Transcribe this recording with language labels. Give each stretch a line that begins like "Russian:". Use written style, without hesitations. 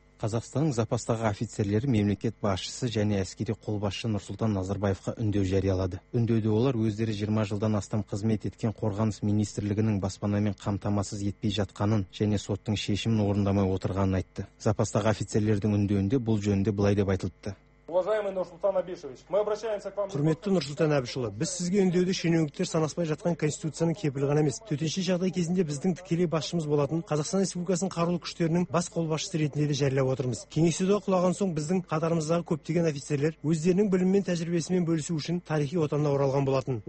Kazakh: Қазақстанның запастағы офицерлері мемлекет басшысы және әскери қолбасшы Нұрсұлтан Назарбаевқа үндеу жариялады. Үндеуде олар өздері 20 жылдан астам қызмет еткен қорғаныс министрлігінің баспанамен қамтамасыз етпей жатқанын және соттың шешімін орындамай отырғанын айтты. Запастағы офицерлердің үндеуінде бұл жөнінде былай деп айтылды.
Russian: Уважаемый Нурсултан Абишевич, мы обращаемся к вам.
Kazakh: Құрметті Нұрсұлтан Абишұлы, біз сізге үндеуді шенеуніктер санаспай жатқан конституцияның кепілі ғана емес, төтенше жағдай кезінде біздің тікелей басшымыз болатын Қазақстан Республикасының қарулы күштерінің бас қолбасшысы ретінде де жариялап отырмыз. Кеңесте де құлаған соң біздің қатарымыздағы көптеген офицерлер өздерінің білімі мен тәжірибесімен бөлісу үшін тарихи отанына оралған болатын.